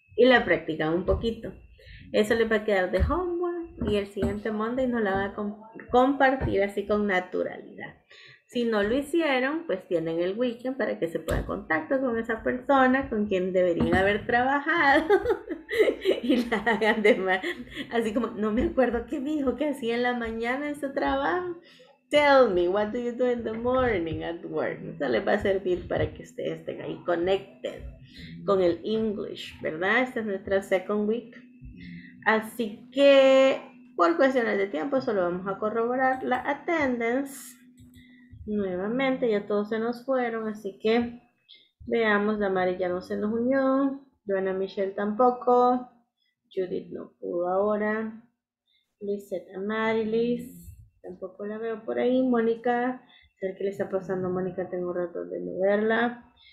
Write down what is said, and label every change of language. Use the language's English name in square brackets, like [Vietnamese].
[Spanish] Y la practica un poquito. Eso les va a quedar de homework y el siguiente Monday nos la va a compartir así con naturalidad. Si no lo hicieron, pues tienen el weekend para que se puedan contactar con esa persona con quien deberían haber trabajado y la hagan de mal. Así como, no me acuerdo qué me dijo que hacía en la mañana en su trabajo. [English] Tell me, what do you do in the morning at work? [Spanish] Eso les va a servir para que ustedes estén ahí connected con el English, ¿verdad? Esta es nuestra second week. Así que, por cuestiones de tiempo, solo vamos a corroborar la attendance. Nuevamente, ya todos se nos fueron, así que veamos, Damari ya no se nos unió, Joana Michelle tampoco, Judith no pudo ahora, Lizette Amarilis, tampoco la veo por ahí, Mónica, ¿qué le está pasando a Mónica? Tengo rato de no verla,